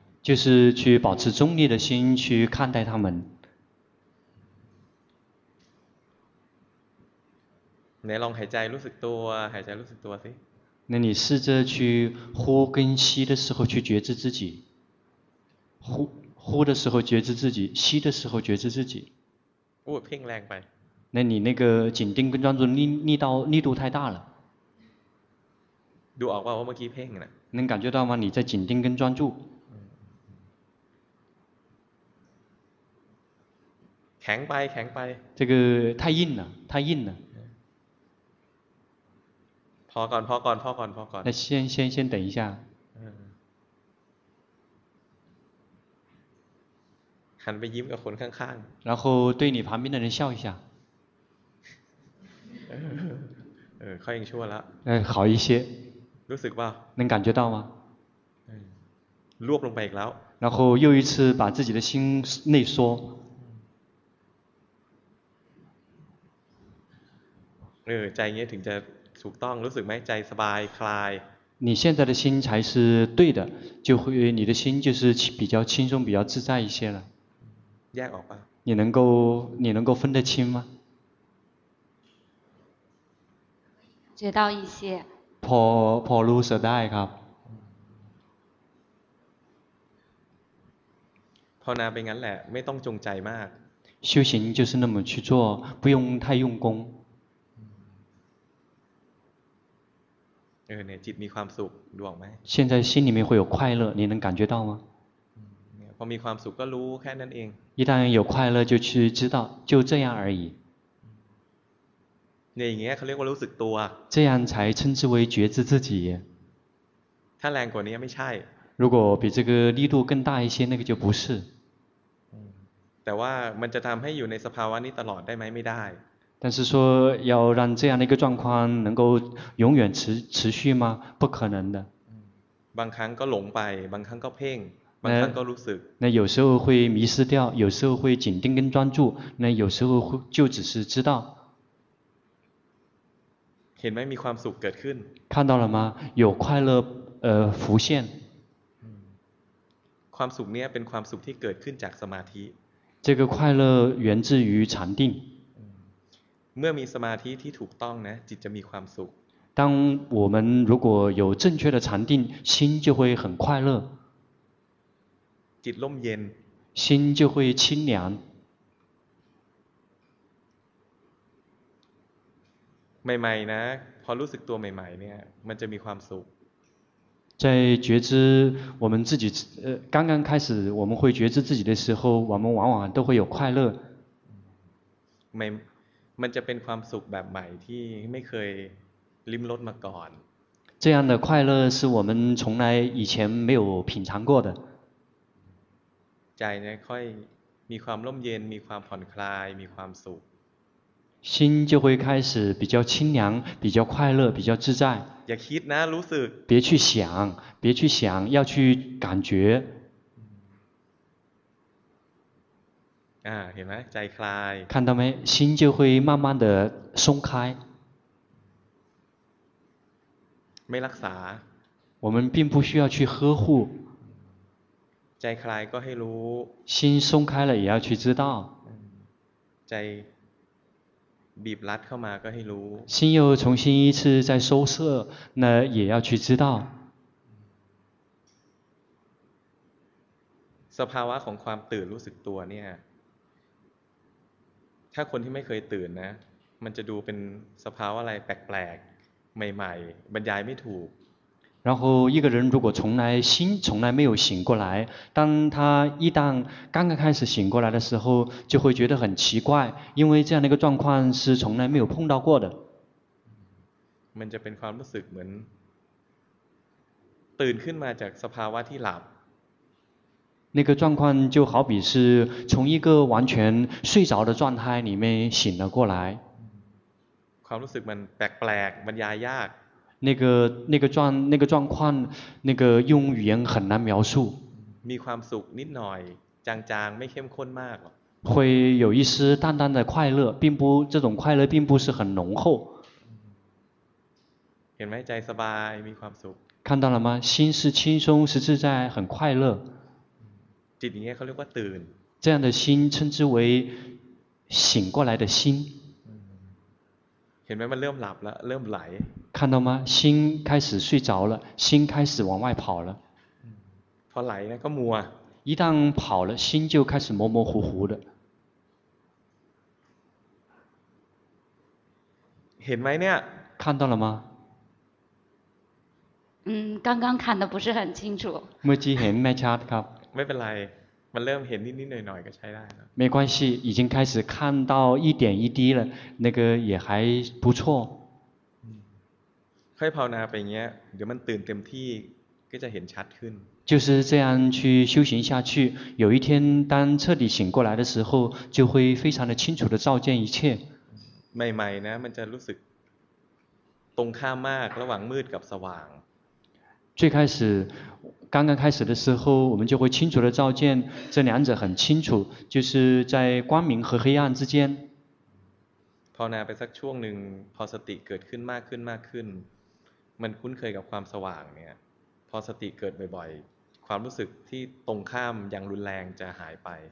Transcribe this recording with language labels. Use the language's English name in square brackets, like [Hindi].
[Chinese] 就是去保持中立的心去看待他们你 [Thai] ลองหายใจรู้สึกตัวหายใจรู้สึกตัวสิ [Chinese] 那你试着去呼跟吸的时候去觉知自己呼的时候觉知自己吸的时候觉知自己我 [Thai] เพ่งแรงไป [Chinese] 那你那个紧盯跟专注力度太大了 [Thai] ดูออกว่าเมื่อกี้เพ่งนะ [Chinese] 能感觉到吗你在紧盯跟专注强 [Thai] ไป强ไป [Chinese] 这个太硬了太硬了 [Thai] พอก่อนพอก่อนพอก่อนพอก่อน [Chinese] 那先等一下 [Thai] หันไปยิ้มกับคนข้าง [Chinese] ๆ然后对你旁边的人笑一下 [Thai] เขายังชั่วแล้ว [Chinese] 好一些 [Thai] รู้สึกว่า [Chinese] 能感觉到吗 [Thai] รวบลงไปอีกแล้ว [Chinese] 然后又一次把自己的心内缩 [Thai] ใจเงี้ยถึงจะถูกต้องรู้สึกไหมใจสบายคลาย [Chinese] 你现在的心才是对的就会你的心就是比较轻松比较自在一些了 [Thai] แยกออกป่ะ [Chinese] 你能够分得清吗知道一些 [Thai] พอรู้สึกได้ครับ ภาวนาไปงั้นแหละไม่ต้องจงใจมาก [Chinese] 修行就是那么去做不用太用功 [Thai] เนี่ยจิตมีความสุขดวงไหม [Chinese] 现在心里面会有快乐你能感觉到吗 [Thai] พอมีความสุขก็รู้แค่นั้นเอง [Chinese] 一旦有快乐就去知道就这样而已 [Thai] เนี่ยอย่างเงี้ยเขาเรียกว่ารู้สึกตัว [Chinese] 这样才称之为觉知自己 [Thai] ถ้าแรงกว่านี้ไม่ใช่ [Chinese] 如果比这个力度更大一些那个就不是 [Thai] แต่ว่ามันจะทำให้อยู่ในสภาวะนี้ตลอดได้ไหมไม่ได้ [Chinese] 但是说要让这样的一个状况能够永远持续吗不可能的 [Thai] บางครั้งก็หลงไปบางครั้งก็เพ่งบางครั้งก็รู้สึก [Chinese] 那有时候会迷失掉有时候会紧盯跟专注那有时候就只是知道 [Thai] เห็นไหมมีความสุขเกิดขึ้น [Chinese] 看到了吗有快乐浮现 [Thai] ความสุขเนี้ยเป็นความสุขที่เกิดขึ้นจากสมาธิ [Chinese] 这个快乐源自于禅定 [Thai] เมื่อมีสมาธิที่ถูกต้องนะจิตจะมีความสุข [Chinese] 当我们如果有正确的禅定心就会很快乐 [Thai] จิตล่มเย็น [Chinese] 心就会清凉 [Thai] ใหม่ๆนะพอรู้สึกตัวใหม่ๆเนี่ยมันจะมีความสุข [Chinese] 在觉知我们自己刚刚开始我们会觉知自己的时候我们往往都会有快乐 [Thai] มันจะเป็นความสุขแบบใหม่ที่ไม่เคยลิ้มรสมาก่อน [Chinese] 这样的快乐是我们从来以前没有品尝过的 [Thai] ใจเนี่ยค่อยมีความร่มเย็นมีความผ่อนคลายมีความสุข [Chinese] 心就会开始比较清凉比较快乐比较自在 [Thai] อย่าคิดนะรู้สึก [Chinese] 别去想别去想要去感觉 [Thai] เห็นไหมใจคลาย [Chinese] 看到没心就会慢慢的松开 [Thai] ไม่รักษา [Chinese] 我们并不需要去呵护 [Thai] ใจคลายก็ให้รู้ [Chinese] 心松开了也要去知道 [Thai] ใจบีบรัดเข้ามาก็ให้รู้ [Chinese] 心又重新一次再收摄那也要去知道 [Thai] สภาวะของความตื่นรู้สึกตัวเนี่ยถ้าคนที่ไม่เคยตื่นนะมันจะดูเป็นสภาวะอะไรแปลกๆใหม่ๆบรรยายไม่ถูก [Chinese] 然后一个人如果从来心从来没有醒过来当他一旦刚刚开始醒过来的时候就会觉得很奇怪因为这样的一个状况是从来没有碰到过的 [Thai] มันจะเป็นความรู้สึกเหมือนตื่นขึ้นมาจากสภาวะที่หลับ [Chinese] 那个状况就好比是从一个完全睡着的状态里面醒了过来 [Thai] ความรู้สึกมันแปลกๆบรรยายยาก [Chinese] 那个状况那个用语言很难描述 [Thai] มีความสุขนิดหน่อยจางๆไม่เข้มข้นมากหรอก [Chinese] 会有一丝淡淡的快乐并不这种快乐并不是很浓厚 [Thai] เห็นไหมใจสบายมีความสุข [Chinese] 看到了吗心是轻松是自在很快乐 [Thai] จิตอย่างเงี้ยเขาเรียกว่าตื่น [Chinese] 这样的心称之为醒过来的心 [Thai] เห็นไหมมันเริ่มหลับแล้วเริ่มไหล [Chinese] 看到吗心开始睡着了心开始往外跑了 [Thai] พอไหลก็มัว [Chinese] 一旦跑了心就开始模模糊糊的 [Thai] เห็นไหมเนี่ย [Chinese] 看到了吗刚刚看的不是很清楚 [Thai] เมื่อกี้เห็นไหมชัดครับ ไม่เป็นไร [Chinese] 们 [Thai] เริ่มเห็นนิดๆหน่อยๆก็ใช้ได้แล้ว [Chinese] 没关系已经开始看到一点一滴了那个也还不错 [Thai] ค่อยภาวนาไปอย่างเงี้ยเดี๋ยวมันตื่นเต็มที่ก็จะเห็นชัดขึ้น [Chinese] 就是这样去修行下去有一天当彻底醒过来的时候就会非常的清楚的照见一切 [Thai] ใหม่ๆนะมันจะรู้สึกตรงข้ามมากระหว่างมืดกับสว่าง [Chinese] 最开始刚刚开始的时候我们就会清楚的照见这两者很清楚就是在光明和黑暗之间 [Thai] ภาวนาไปสักช่วงหนึ่งพอสติเกิดขึ้นมากขึ้นมากขึ้นมันคุ้นเคยกับความสว่างเนี่ยพอสติเกิดบ่อยๆความรู้สึกที่ตรงข้ามอย่างรุนแรงจะหายไป